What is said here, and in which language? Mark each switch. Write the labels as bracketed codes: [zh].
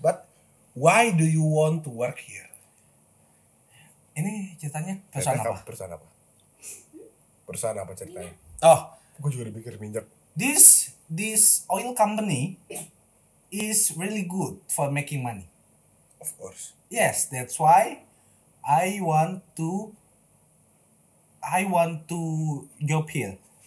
[en] But why do you want to work here? [id] Ini ceritanya perusahaan apa? Perusahaan apa ceritanya? Oh. Gue juga dipikir minyak. [en] This oil company is really good for making money. Of course. Yes, that's why I want to job here.